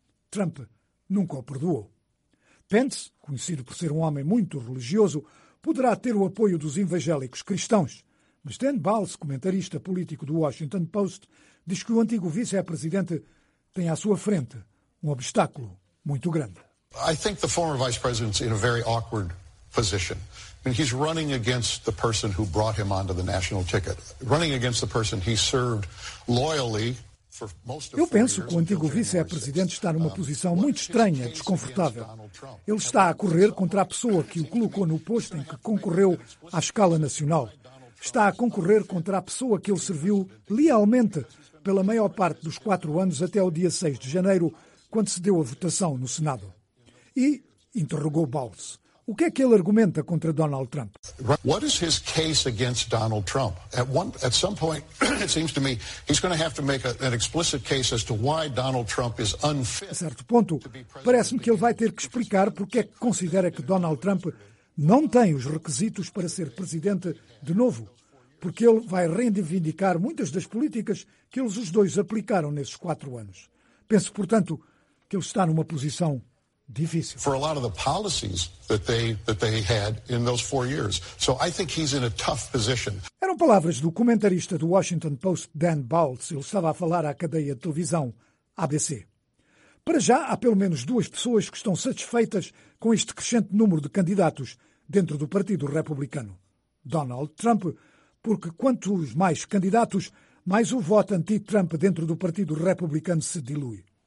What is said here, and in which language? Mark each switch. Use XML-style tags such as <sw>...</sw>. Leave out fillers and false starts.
<pt>Trump nunca o perdoou. Pence, conhecido por ser um homem muito religioso, poderá ter o apoio dos evangélicos cristãos. Mas Dan Balz, comentarista político do Washington Post, diz que o antigo vice-presidente tem à sua frente um obstáculo muito grande.</pt> <en>I think the former vice president's in a very awkward position. I mean, he's running against the person who brought him onto the national ticket, running against the person he served loyally.</en> <pt>Eu penso que o antigo vice-presidente está numa posição muito estranha, desconfortável. Ele está a correr contra a pessoa que o colocou no posto em que concorreu à escala nacional. Está a concorrer contra a pessoa que ele serviu lealmente pela maior parte dos 4 anos até o dia 6 de janeiro, quando se deu a votação no Senado. E interrogou Balz. O que é que ele argumenta contra Donald Trump?</pt> <en>What is his case against Donald Trump? At some point, it seems to me, he's going to have to make an explicit case as to why Donald Trump is unfit.</en> <pt>A certo ponto, parece-me que ele vai ter que explicar porque é que considera que Donald Trump não tem os requisitos para ser presidente de novo, porque ele vai reivindicar muitas das políticas que eles os dois aplicaram nesses 4 anos. Penso, portanto, que ele está numa posição difícil.</pt> <en>For a lot of the policies that they had in those 4 years. So I think he's in a tough position.</en> <pt>Eram palavras do comentarista do Washington Post, Dan Balz. Ele estava a falar à cadeia de televisão ABC. Para já, há pelo menos 2 pessoas que estão satisfeitas com este crescente número de candidatos dentro do Partido Republicano. Donald Trump, porque quantos mais candidatos, mais o voto anti-Trump dentro do Partido Republicano se dilui.</pt>